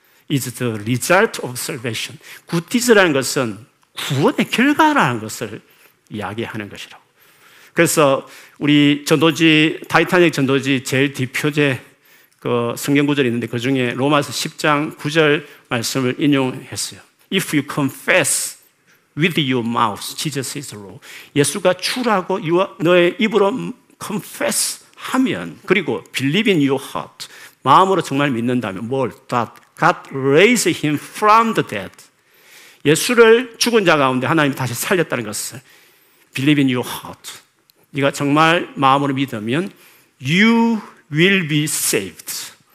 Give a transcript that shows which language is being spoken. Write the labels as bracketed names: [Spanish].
[English] is the result of salvation. [Korean] Good deeds 라는 것은 구원의 결과라는 것을 이야기하는 것이라고. 그래서 우리 전도지, 타이타닉 전도지 제일 뒷표제 그 성경구절이 있는데 그 중에 로마서 10장 9절 말씀을 인용했어요. [English] If you confess with your mouth, Jesus is Lord. [Korean] 예수가 주라고 너의 입으로 confess 하면, 그리고 believe in your heart. [English] 마음으로 정말 믿는다면, God raised him from the dead. [Korean] 예수를 죽은 자 가운데 하나님이 다시 살렸다는 것을 believe in your heart. 네가 정말 마음으로 믿으면 you will be saved.